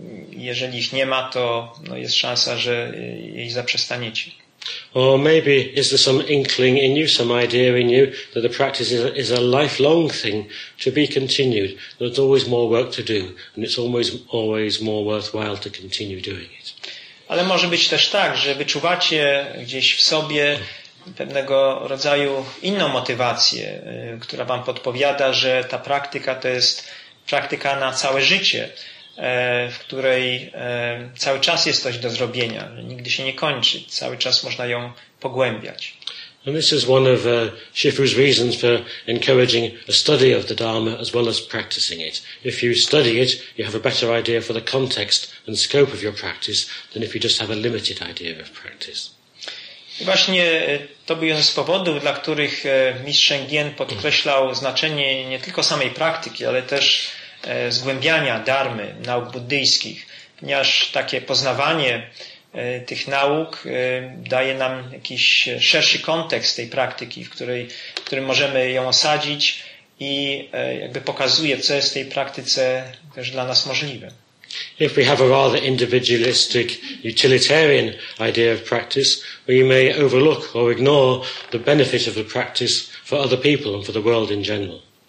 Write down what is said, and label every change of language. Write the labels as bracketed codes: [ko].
[pl] Jeżeli ich nie ma, to no, jest szansa, że jej zaprzestaniecie. [en] Or maybe is there some inkling in you, some idea in you that the practice is a lifelong thing to be continued? There's always more work to do, and it's always more worthwhile to continue doing it. [pl] Ale może być też tak, że wyczuwacie gdzieś w sobie pewnego rodzaju inną motywację, która wam podpowiada, że ta praktyka to jest praktyka na całe życie, w której cały czas jest coś do zrobienia, nigdy się nie kończy, cały czas można ją pogłębiać. [en] And this is one of Shifu's reasons for encouraging a study of the Dharma as well as practicing it. If you study it, you have a better idea for the context and scope of your practice than if you just have a limited idea of practice. [pl] I właśnie to był jeden z powodów, dla których mistrz Szengen podkreślał znaczenie nie tylko samej praktyki, ale też zgłębiania darmy, nauk buddyjskich, ponieważ takie poznawanie tych nauk daje nam jakiś szerszy kontekst tej praktyki, w którym możemy ją osadzić i jakby pokazuje, co jest w tej praktyce też dla nas możliwe. [en] If we have a rather individualistic, utilitarian idea of practice, we may overlook or ignore the benefit of the practice for other people and for the world in general.